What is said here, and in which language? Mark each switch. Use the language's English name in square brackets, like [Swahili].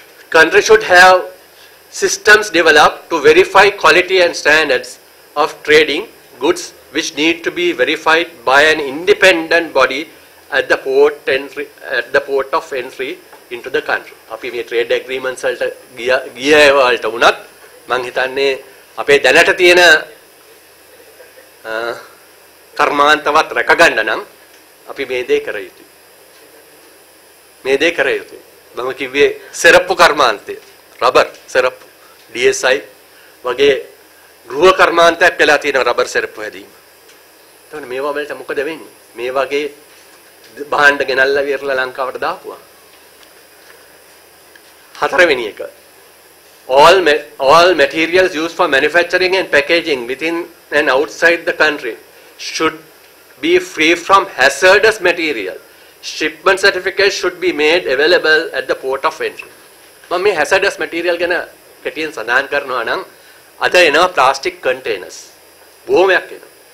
[English] country should have systems developed to verify quality and standards of trading goods which need to be verified by an independent body at the port entry, at the port of entry into the country. [Sinhala] අපි මේ trade ඇග්‍රීමන්ට්ස් වලට ගිය ගිය වලට වුණත් මං හිතන්නේ අපේ දැනට තියෙන කර්මාන්තවත් රැකගන්න නම් අපි මේ දේ කර යුතුයි. මේ දේ කර යුතුයි. මම කිව්වේ සෙරප්පු කර්මාන්තය, රබර් සෙරප්පු, DSI වගේ ගෘහ කර්මාන්තයක් වෙලා තියෙන රබර් සෙරප්පු හැදීම. එතකොට මේවා වලට මොකද වෙන්නේ? මේ වගේ භාණ්ඩ ගෙනල්ලා විතරලා ලංකාවට දාපුවා. හතරවෙනි එක. [English] All materials used for manufacturing and packaging within and outside the country should be free from hazardous material. Shipment certificate should be made available at the port of entry. [Sinhala] මම මේ hazardous material ගැන කෙටියෙන් සඳහන් කරනවා නම් අද එනවා plastic containers. බොහොමයක් එනවා.